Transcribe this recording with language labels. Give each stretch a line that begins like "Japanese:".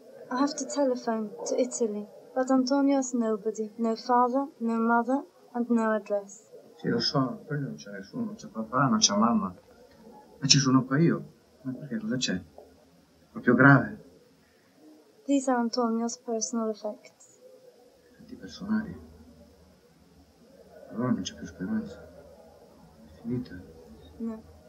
English: I have to telephone to Italy, but Antonio has nobody, no father, no mother, and no address.
Italian: Sì, lo so, però non c'è nessuno, non c'è papà, non c'è mamma. Ma ci sono qua io. Ma perché, cosa c'è? È proprio grave.
English: These are Antonio's personal effects.
Italian: Effetti personali? Allora non c'è più speranza. È finita? No.